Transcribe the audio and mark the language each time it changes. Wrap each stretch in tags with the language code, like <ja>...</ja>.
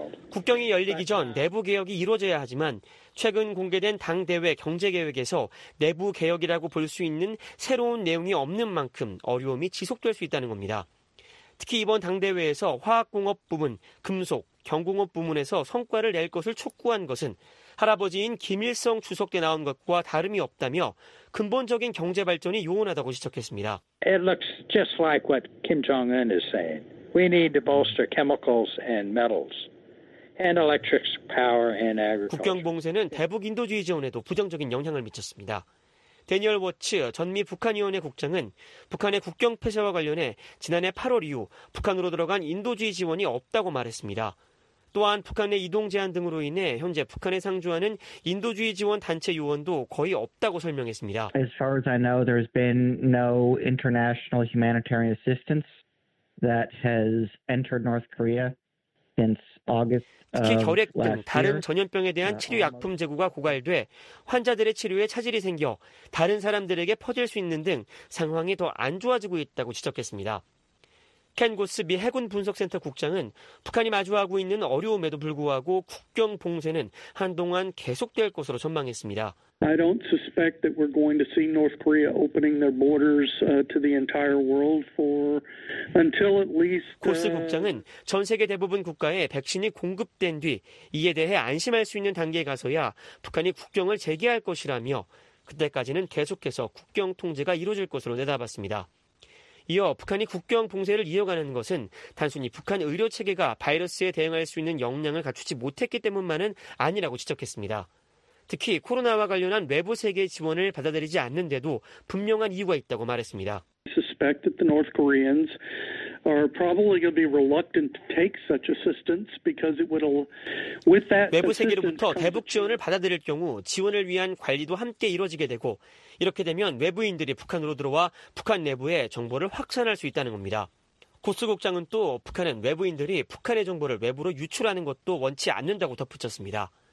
<ko>국경이 열리기 전 내부 개혁이 이루어져야 하지만 최근 공개된 당대회 경제계획에서 내부 개혁이라고 볼 수 있는 새로운 내용이 없는 만큼 어려움이 지속될 수 있다는 겁니다. 특히 이번 당대회에서 화학공업 부문, 금속, 경공업 부문에서 성과를 낼 것을 촉구한 것은 할아버지인 김일성 주석 때 나온 것과 다름이 없다며 근본적인 경제 발전이 요원하다고 지적했습니다.</ko> <en>It looks just like what Kim Jong-un is saying. We need to bolster chemicals and metals and electric power and agriculture.</en> <ko>국경 봉쇄는 대북 인도주의 지원에도 부정적인 영향을 미쳤습니다. 대니얼 워츠 전미 북한위원회 국장은 북한의 국경 폐쇄와 관련해 지난해 8월 이후 북한으로 들어간 인도주의 지원이 없다고 말했습니다. 또한 북한의 이동 제한 등으로 인해 현재 북한에 상주하는 인도주의 지원 단체 요원도 거의 없다고 설명했습니다.</ko> <en>As far as I know, there's been no international humanitarian assistance that has entered North Korea since August.</en> <ko>특히 결핵 등 다른 전염병에 대한 치료 약품 재고가 고갈돼 환자들의 치료에 차질이 생겨 다른 사람들에게 퍼질 수 있는 등 상황이 더 안 좋아지고 있다고 지적했습니다. 켄 고스 미 해군 분석센터 국장은 북한이 마주하고 있는 어려움에도 불구하고 국경 봉쇄는 한동안 계속될 것으로 전망했습니다.</ko> <en>I don't suspect that we're going to see North Korea opening their borders to the entire world for until at least.</en> <ko>코스 국장은 전 세계 대부분 국가에 백신이 공급된 뒤 이에 대해 안심할 수 있는 단계에 가서야 북한이 국경을 재개할 것이라며 그때까지는 계속해서 국경 통제가 이루어질 것으로 내다봤습니다. 이어 북한이 국경 봉쇄를 이어가는 것은 단순히 북한 의료 체계가 바이러스에 대응할 수 있는 역량을 갖추지 못했기 때문만은 아니라고 지적했습니다. 특히 코로나와 관련한 외부 세계 지원을 받아들이지 않는데도 분명한 이유가 있다고 말했습니다.</ko> <en>I suspect that the North Koreans are probably going to be reluctant to take such assistance because it would with that</en> <ko>외부 세계로부터 대북 지원을 받아들일 경우 지원을 위한 관리도 함께 이루어지게 되고 이렇게 되면 외부인들이 북한으로 들어와 북한 내부에 정보를 확산할 수 있다는 겁니다. 고스 국장은 또 북한은 외부인들이 북한의 정보를 외부로 유출하는 것도 원치 않는다고 덧붙였습니다.</ko>